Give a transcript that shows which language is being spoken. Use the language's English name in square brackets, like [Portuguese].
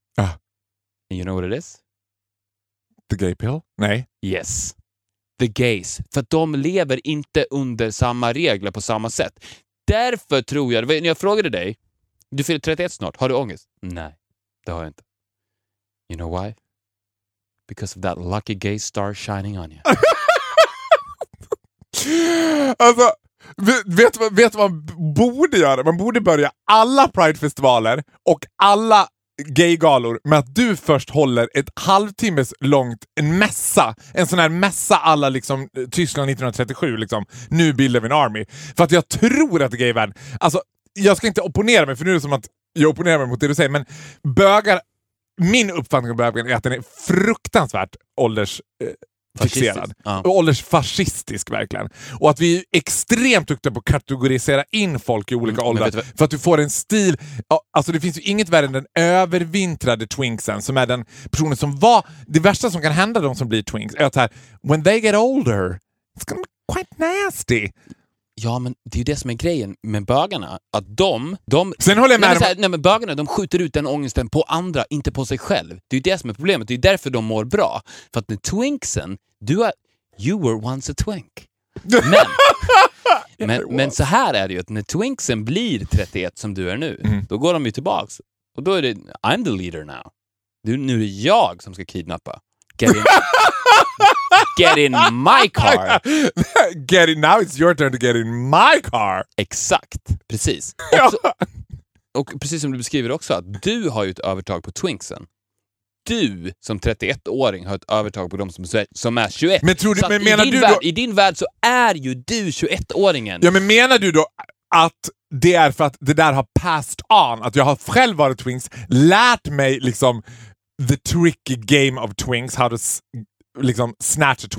[English] And you know what it is? The gay pill? Nej. Yes. The gays. [Swedish] För att de lever inte under samma regler på samma sätt. Därför tror jag, när jag frågade dig, du fyller 31 snart, har du ångest? Nej, det har jag inte. You know why? [English] Because of that lucky gay star shining on you. [Swedish] Alltså, vet vad man borde göra? Man borde börja alla Pride-festivaler och alla gay-galor med att du först håller ett halvtimmes långt en mässa. En sån här mässa alla liksom Tyskland 1937 liksom. Nu bildar vi en army. För att jag tror att gay-världen... Alltså, jag ska inte opponera mig, för nu är det som att jag opponerar mig mot det du säger, men bögar... Min uppfattning om bögen är att den är fruktansvärt ålders... fixerad. Ja. Och åldersfascistisk verkligen. Och att vi är extremt duktiga på att kategorisera in folk i olika åldrar. För att du får en stil. Alltså det finns ju inget värre än den övervintrade twinksen. Som är den personen som var. Det värsta som kan hända de som blir twinks. [English] Är att här, when they get older. It's gonna be quite nasty. [Swedish] Ja, men det är ju det som är grejen med bögarna. Att de sen håller jag med. Nej, men bögarna, de skjuter ut den ångesten på andra, inte på sig själv. Det är ju det som är problemet. Det är därför de mår bra. För att med twinksen, du är... [English] You were once a twink. [Swedish] Men så här är det ju. Att när twinksen blir 31 som du är nu, då går de ju tillbaks. Och då är det... I'm the leader now. Nu är det jag som ska kidnappa. [English] Get in my car. Get in, now it's your turn to get in my car. [Swedish] Exakt, precis. Och precis som du beskriver också, att du har ju ett övertag på twinksen. Du som 31-åring har ett övertag på dem som är 21. Men tror du, men menar du värld, i din värld så är ju du 21-åringen. Ja, men menar du då att det är för att det där har passed on, att jag har själv varit twinks, lärt mig liksom the tricky game of twinks, how to liksom snatch a twink.